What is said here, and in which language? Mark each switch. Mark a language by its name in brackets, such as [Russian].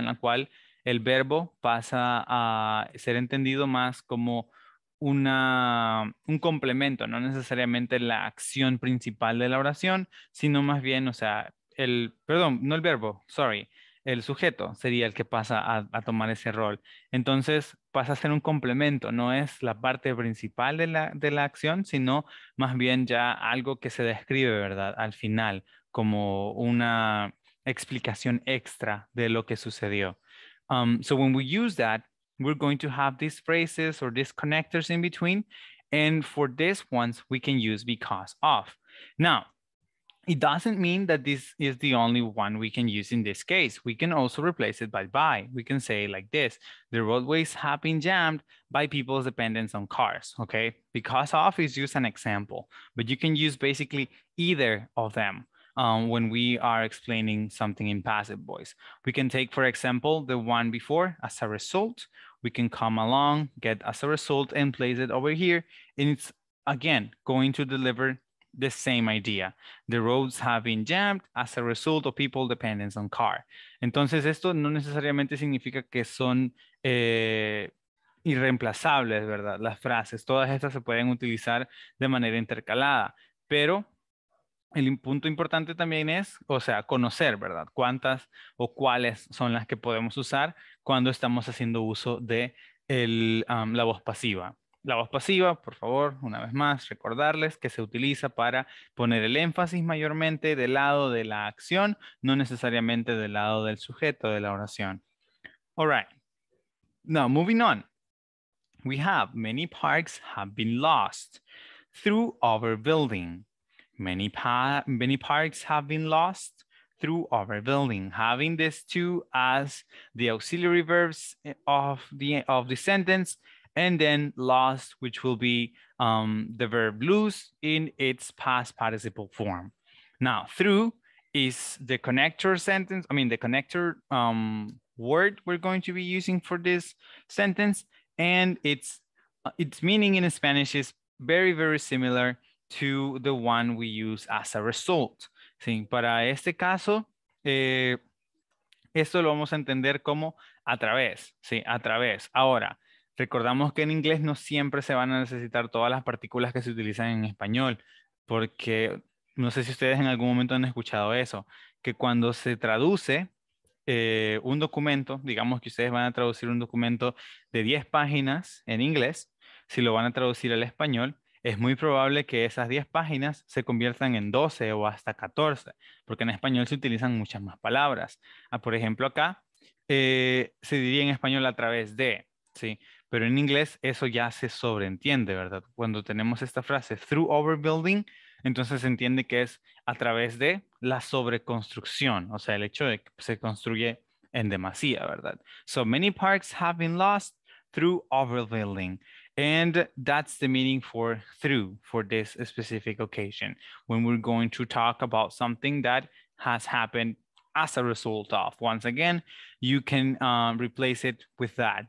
[Spanish] En la cual el verbo pasa a ser entendido más como un complemento, no necesariamente la acción principal de la oración, sino más bien, o sea, el sujeto sería el que pasa a tomar ese rol. Entonces pasa a ser un complemento, no es la parte principal de la acción, sino más bien ya algo que se describe, ¿verdad? Al final, como una explicación extra de lo que sucedió. [English] So when we use that, we're going to have these phrases or these connectors in between. And for this ones, we can use because of. Now, it doesn't mean that this is the only one we can use in this case. We can also replace it by. We can say like this, the roadways have been jammed by people's dependence on cars, okay? Because of is just an example, but you can use basically either of them. When we are explaining something in passive voice. We can take, for example, the one before as a result. We can come along, get as a result and place it over here. And it's, again, going to deliver the same idea. The roads have been jammed as a result of people dependence on car. [Spanish] Entonces, esto no necesariamente significa que son irreemplazables, ¿verdad? Las frases, todas estas se pueden utilizar de manera intercalada, pero el punto importante también es, o sea, conocer, ¿verdad? Cuántas o cuáles son las que podemos usar cuando estamos haciendo uso de la voz pasiva. La voz pasiva, por favor, una vez más, recordarles que se utiliza para poner el énfasis mayormente del lado de la acción, no necesariamente del lado del sujeto de la oración. [English] All right. Now, moving on. We have many parks have been lost through overbuilding. Many parks have been lost through overbuilding. Having these two as the auxiliary verbs of the sentence And then lost, which will be the verb lose in its past participle form. Now, through is the connector sentence, I mean, the connector word we're going to be using for this sentence. And its meaning in Spanish is very, very similar to the one we use as a result. [Spanish] Sí, para este caso, esto lo vamos a entender como a través. Sí, a través. Ahora, recordamos que en inglés no siempre se van a necesitar todas las partículas que se utilizan en español, porque no sé si ustedes en algún momento han escuchado eso, que cuando se traduce un documento, digamos que ustedes van a traducir un documento de 10 páginas en inglés, si lo van a traducir al español, es muy probable que esas 10 páginas se conviertan en 12 o hasta 14, porque en español se utilizan muchas más palabras. Ah, por ejemplo, acá se diría en español a través de, ¿sí? Pero en inglés eso ya se sobreentiende, ¿verdad? Cuando tenemos esta frase, [English] through over building, [Spanish] entonces se entiende que es a través de la sobreconstrucción, o sea, el hecho de que se construye en demasía, ¿verdad? [English] So many parks have been lost through overbuilding. And that's the meaning for through for this specific occasion, when we're going to talk about something that has happened as a result of. Once again, you can replace it with that.